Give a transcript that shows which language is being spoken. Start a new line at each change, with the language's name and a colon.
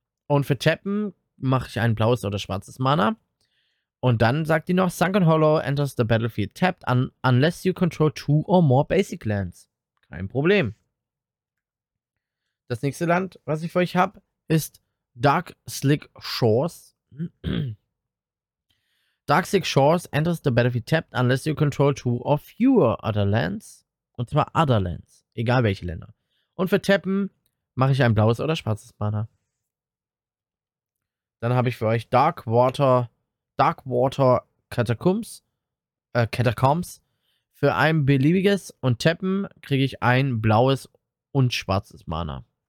German: Und für Tappen mache ich ein blaues oder schwarzes Mana. Und dann sagt die noch,
English: Sunken Hollow enters the battlefield tapped unless you control two or more basic lands.
German: Kein Problem. Das nächste Land, was ich für euch habe, ist Dark Slick Shores.
English: Dark Slick Shores enters the battlefield tapped unless you control two or fewer other lands.
German: Und zwar other lands, egal welche Länder. Und für Tappen mache ich ein blaues oder schwarzes Mana. Dann habe ich für euch Darkwater Catacombs. Für ein beliebiges und Tappen kriege ich ein blaues und schwarzes Mana.